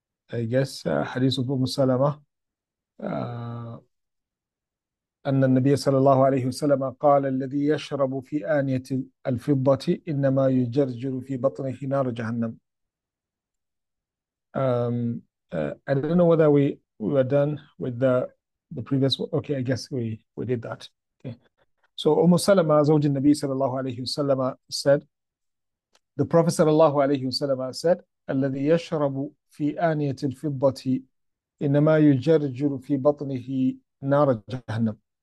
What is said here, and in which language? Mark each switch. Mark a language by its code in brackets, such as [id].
[en] I guess hadith of Umm Salama. [ar] أن النبي صلى الله عليه وسلم قال الذي يشرب في آنية الفضة إنما يجرجر في بطنه نار جهنم. [en] I don't know whether we were done with the previous one. Okay, I guess we did that. Okay. So Umm Salama, Zawj al-Nabi sallallahu alayhi wa sallam, said, the Prophet sallallahu alayhi wa sallam said, [ar] الَّذِي يَشْرَبُ فِي آنِيَةِ الْفِضَّةِ إِنَّمَا يُجَرْجُرُ فِي بَطْنِهِ نَارَ جَهَنَّمْ.